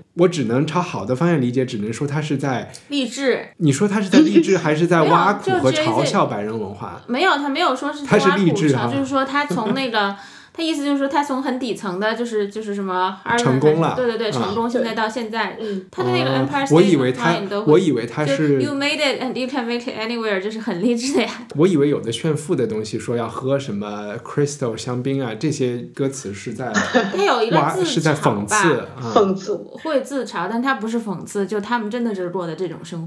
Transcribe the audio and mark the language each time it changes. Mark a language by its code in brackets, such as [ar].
[zh] 我只能朝好的方向理解，只能说他是在励志。你说他是在励志还是在挖苦和嘲笑白人文化？没有，他没有说是他是励志、啊、就是说他从那个他意思就是说他从很底层的就是什么成功了，对对对、啊、成功，现在到现在、嗯、他的那个 Empire State、我以为他是 [en] You made it and you can make it anywhere， [zh] 就是很励志的呀。我以为有的炫富的东西说要喝什么 Crystal 香槟啊，这些歌词是在他有一个自嘲是在讽刺、嗯、讽刺会自嘲，但他不是讽刺，就他们真的就是过的这种生活，